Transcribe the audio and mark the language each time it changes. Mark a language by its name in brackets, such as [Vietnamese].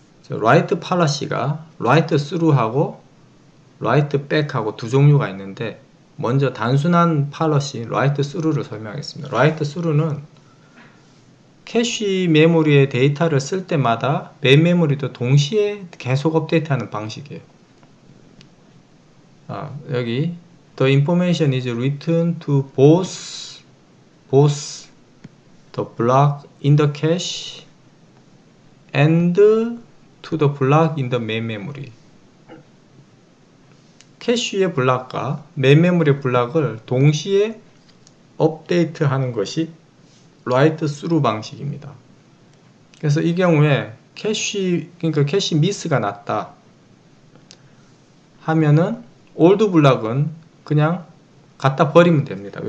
[Korean] 라이트 팔러시가 라이트 스루하고 라이트 백하고 두 종류가 있는데 먼저 단순한 팔러시 라이트 스루를 설명하겠습니다. 라이트 스루는 캐시 메모리에 데이터를 쓸 때마다 맵 메모리도 동시에 계속 업데이트하는 방식이에요. 아, 여기 [English] The information is written to both the block in the cache and to the block in the main memory. [Korean] 캐시의 블록과 메인 메모리 블록을 동시에 업데이트하는 것이 라이트 스루 방식입니다. 그래서 이 경우에 그러니까 캐시 미스가 났다 하면은 올드 블록은 그냥 갖다 버리면 됩니다.